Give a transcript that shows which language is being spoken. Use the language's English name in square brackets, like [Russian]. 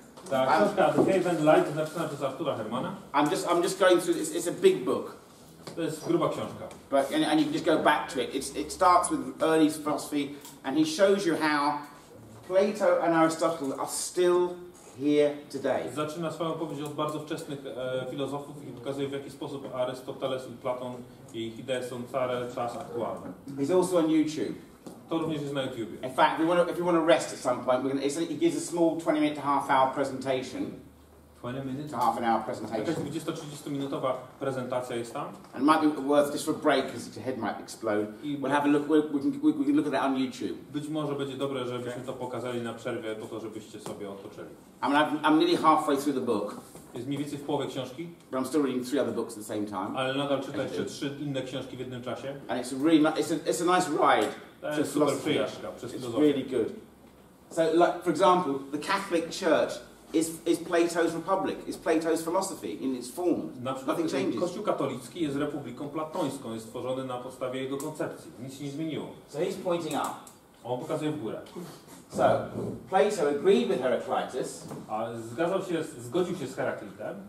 [Polish] Ta książka, The Cave and Light, napisana przez Artura Hermana. [English] I'm just going through, it's a big book. [Polish] To jest gruba książka. [English] But and you can just go back to it. It starts with early philosophy, and he shows you how Plato and Aristotle are still here today. [Polish] Zaczyna swoją opowieść od bardzo wczesnych filozofów i pokazuje, w jaki sposób Arystoteles i Platon i ich idee są cały czas aktualne. [English] He's also on YouTube. [Polish] To również jest na YouTube. [English] In fact, if you want to rest at some point, he gives a small 20-minute to half-hour presentation. 20 minutes to half an hour presentation. [Polish] 20-30 minutowa prezentacja jest tam. [English] And it might be worth just for a break because your head might explode. We'll have a look. We can look at that on YouTube. [Polish] Być może będzie dobre, żebyśmy to pokazali na przerwie, po to, żebyście sobie odpoczęli. [English] I'm nearly halfway through the book. [Polish] Jest mniej więcej w połowie książki. [English] But I'm still reading three other books at the same time. [Polish] Ale nadal czyta jeszcze trzy inne książki w jednym czasie. [English] And it's really it's a nice ride. [Polish] To jest super przyjażdżka przez filozofię. [English] It's really good. So, like for example, the Catholic Church. Is Plato's Republic? Is Plato's philosophy in its form? Nothing changes. [Polish] Kościół katolicki jest republiką platońską, jest stworzony na podstawie jego koncepcji. Nic się nie zmieniło. [English] So he's pointing up. [Polish] On pokazuje w górę. [English] So Plato agreed with Heraclitus. [Polish] A zgodził się z Heraklitem.